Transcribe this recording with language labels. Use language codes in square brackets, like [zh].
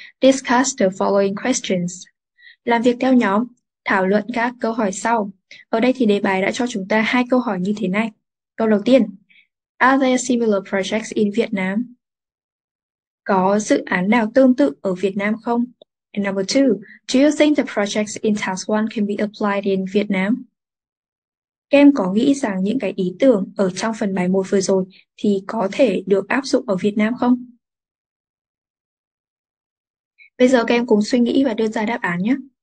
[en] Discuss the following questions. [vi] Làm việc theo nhóm, thảo luận các câu hỏi sau. Ở đây thì đề bài đã cho chúng ta hai câu hỏi như thế này. Câu đầu tiên, [en] Are there similar projects in Vietnam? [vi] Có dự án nào tương tự ở Việt Nam không? [en] And number 2, Do you think the projects in task 1 can be applied in Vietnam? [vi] Các em có nghĩ rằng những cái ý tưởng ở trong phần bài 1 vừa rồi thì có thể được áp dụng ở Việt Nam không? Bây giờ các em cùng suy nghĩ và đưa ra đáp án nhé.